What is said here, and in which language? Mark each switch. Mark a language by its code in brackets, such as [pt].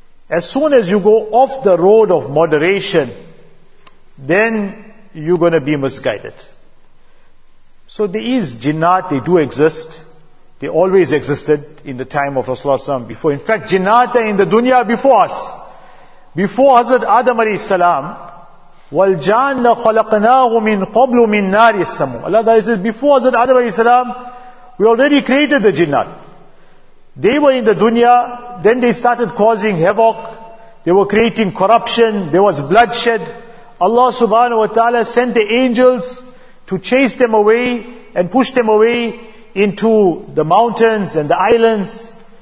[en] As soon as you go off the road of moderation, then you're going to be misguided. So there is jinnat, they do exist. They always existed in the time of Rasulullah SAW before. In fact, jinnat are in the dunya before us. Before Hazrat Adam alayhi salam, [ar] وَالْجَانَّ خَلَقْنَاهُ مِنْ قَبْلُ مِنْ نَارِ السَّمُّ. [en] Allah Ta'ala says, before Hazrat Adam alayhi salam, we already created the jinnat. They were in the dunya, then they started causing havoc, they were creating corruption, there was bloodshed. Allah subhanahu wa ta'ala sent the angels to chase them away and push them away into the mountains and the islands.